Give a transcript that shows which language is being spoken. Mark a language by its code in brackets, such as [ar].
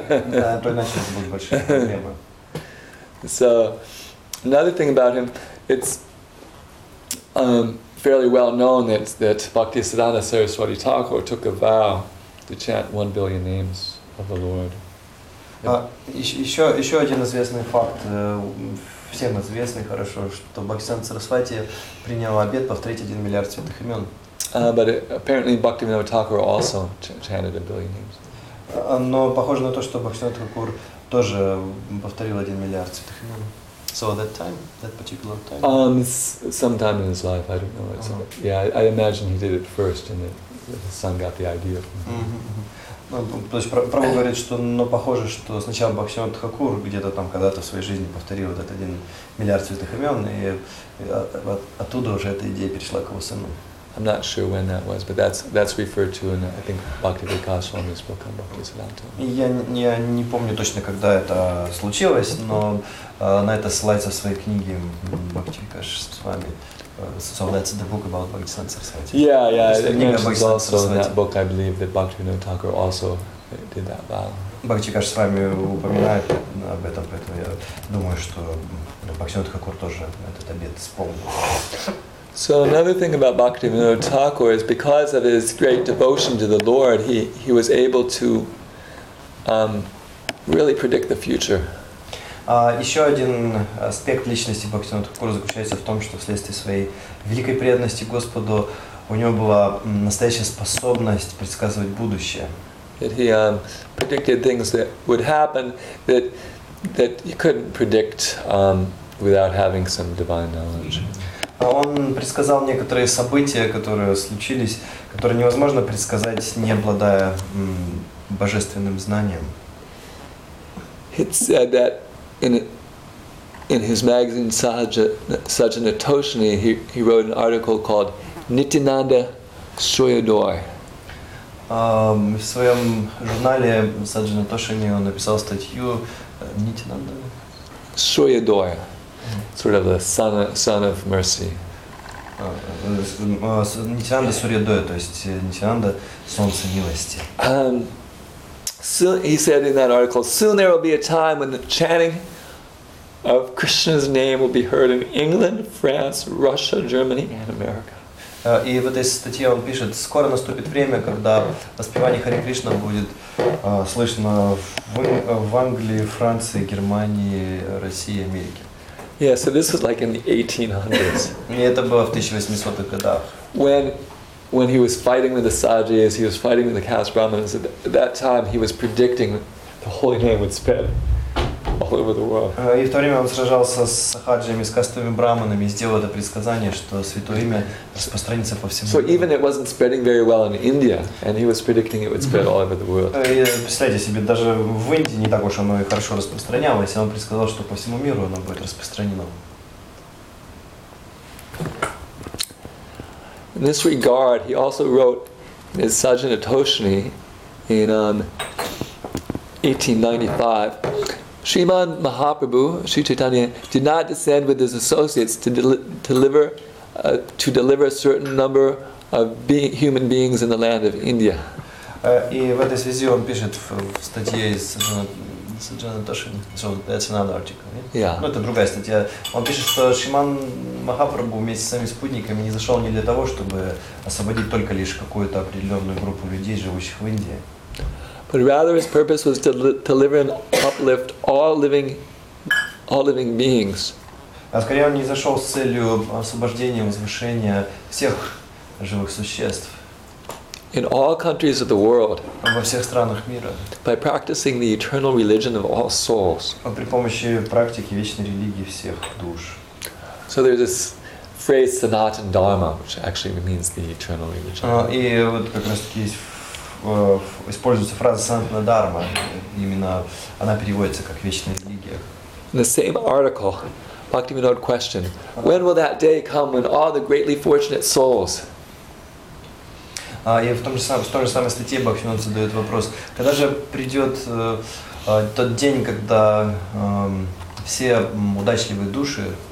[ru] Да, то иначе это будет большая проблема. [en] So, another thing about him, it's fairly well known that Bhaktisiddhanta Saraswati Thakur took a vow to chant 1 billion names of the Lord. [ru] Еще один известный факт, всем известный хорошо, что Бхактисиддханта Сарасвати принял обет повторить 1 миллиард святых имен. [en] But apparently Bhaktivinoda Thakur also chanted 1 billion names. [ru] Но похоже на то, что Бхактисиддханта Такур тоже повторил 1 миллиард святых имен. [en] So at that particular time? Sometime in his life, I don't know. It's I imagine he did it first and his son got the idea from him. [ru] То есть Прабху говорит, что, но похоже, что сначала Бхактивинода Такур где-то там когда-то в своей жизни повторил вот этот 1 миллиард святых имен, и оттуда уже эта идея перешла к его сыну. [en] I'm not sure when that was, but that's referred to in, I think, Bhaktivinoda Swami's book on Bhaktisiddhanta. [ru] Я не помню точно, когда это случилось, но на это ссылается в своей книге Бхактивинода Свами. [en] So that's the book about Bhaktisiddhanta Saraswati. Yeah, yeah, it mentions also in that book, I believe, that Bhaktivinoda Thakur also did that vow. [ru] Бхактикаш с вами упоминает об этом, поэтому я думаю, что Бхактивинода Такур тоже этот обет исполнил. [en] So another thing about Bhaktivinoda Thakur is because of his great devotion to the Lord, he was able to really predict the future. [ru] Еще один аспект личности Бхактивинода Такура заключается в том, что вследствие своей великой преданности Господу у него была настоящая способность предсказывать будущее. [en] That he predicted things that would happen that you couldn't predict without having some divine knowledge. [ru] Он предсказал некоторые события, которые случились, которые невозможно предсказать, не обладая божественным знанием. [en] It said that in his magazine Sajjanatoshini he wrote an article called Nityananda Soyodoy. [ru] В своем журнале Sajjanatoshini он написал статью Nityananda [en] Soyodoy. Sort of the son of mercy. [ru] Nityananda Suryodaya, то есть Nityananda, солнце милости. [en] Soon, he said in that article, soon there will be a time when the chanting of Krishna's name will be heard in England, France, Russia, Germany, and America. [ru] И в этой статье он пишет, скоро наступит время, когда воспевание Харе Кришна будет слышно в Англии, Франции, Германии, России, Америке. [en] Yeah, so this was like in the 1800s. [ru] Это было в 1800-х годах. [en] When he was fighting with the Sajjis, he was fighting with the caste Brahmins. At that time, he was predicting the holy name would spread all over the world. [ru] И в то время он сражался с Сахаджами, с кастовыми Брахманами, и сделал это предсказание, что святое имя распространится по всему. [en] So even it wasn't spreading very well in India, and he was predicting it would spread all over the world. [ru] Представьте себе, даже в Индии не так уж оно и хорошо распространялось, и он предсказал, что по всему миру оно будет распространено. [en] In this regard, he also wrote in his Sajjanatoshini in 1895, Shriman Mahaprabhu, Sri Chaitanya, did not descend with his associates to deliver a certain number of human beings in the land of India. [ru] И в этой связи он пишет в статье из Sajjanatoshini. [en] So that's another article. Yeah. [ru] Ну, это другая статья. Он пишет, что Шриман Махапрабху вместе с своими спутниками не зашел не для того, чтобы освободить только лишь какую-то определенную группу людей, живущих в Индии. [en] But rather his purpose was to deliver and uplift all living beings. [ru] А скорее он не зашел с целью освобождения, возвышения всех живых существ. [en] In all countries of the world, [ru] во всех странах мира, [en] by practicing the eternal religion of all souls, [ru] при помощи практики вечной религии всех душ. [en] So there's this phrase Sanatana Dharma, which actually means the eternal religion. [ru] И вот как раз таки используется фраза Санатана Дхарма, именно она переводится как вечная религия. [en] In the same article, Bhaktivinoda questioned, when will that day come when all the greatly fortunate souls? [ru] И в той же самой статье Бхактивинода задает вопрос, когда же придет тот день, когда все удачливые души